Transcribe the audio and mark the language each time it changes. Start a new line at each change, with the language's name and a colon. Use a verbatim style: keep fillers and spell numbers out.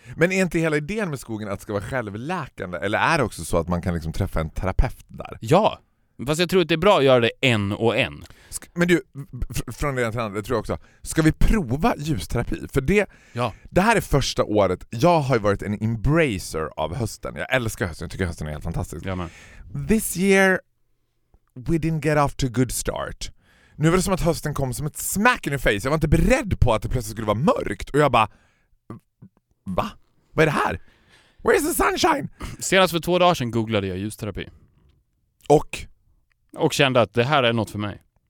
Swedish: Men är inte hela idén med skogen att det ska vara självläkande? Eller är det också så att man kan liksom träffa en terapeut där? Ja, fast jag tror att det är bra att göra det en och en. Men du, från det ena till andra, det tror jag också. Ska vi prova ljusterapi? För det, ja. Det här är första året. Jag har ju varit en embracer av hösten. Jag älskar hösten, jag tycker hösten är helt fantastisk. Ja, men.
English: This year we didn't get off to a good start.
Swedish: Nu var det som att hösten kom som ett
English: smack in the face.
Swedish: Jag var inte beredd på att det plötsligt skulle vara mörkt. Och jag bara, va? Vad är det här?
English: Where is the sunshine?
Swedish: Senast för två dagar sedan googlade jag ljusterapi. Och? Och kände att det här är något för mig.